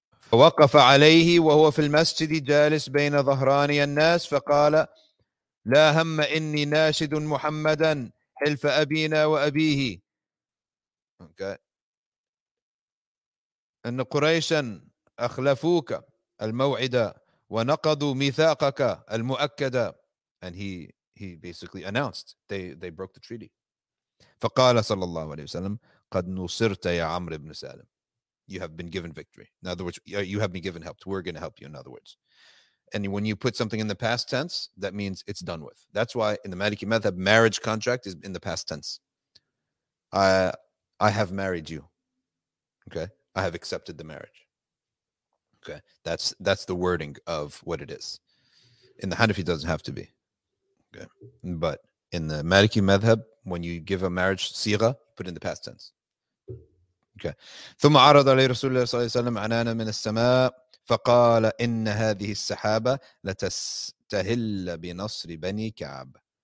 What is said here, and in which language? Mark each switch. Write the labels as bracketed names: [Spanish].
[Arabic] فوقف عليه وهو في المسجد جالس بين ظهراني الناس فقال لا هم إني ناشد محمدا حلف أبينا وأبيه. [English] Okay. [Arabic] إن قريشا أخلفوك الموعد ونقضوا ميثاقك المؤكد. [English] And he basically announced they broke the treaty. [Arabic] فقال صلى الله عليه وسلم قد نصرت يا عمرو بن سالم. [English] You have been given victory. In other words, you have been given help. We're going to help you, in other words. And when you put something in the past tense, that means it's done with. That's why in the Maliki Madhab, marriage contract is in the past tense. I have married you. Okay? I have accepted the marriage. Okay? That's the wording of what it is. In the Hanafi, it doesn't have to be. Okay? But in the Maliki Madhab, when you give a marriage siga, put in the past tense. [Arabic] ثم عرض عليه رسول الله صلى الله عليه وسلم عنانا من السماء فقال إن هذه السحابة لتستهل بنصر بني كعب.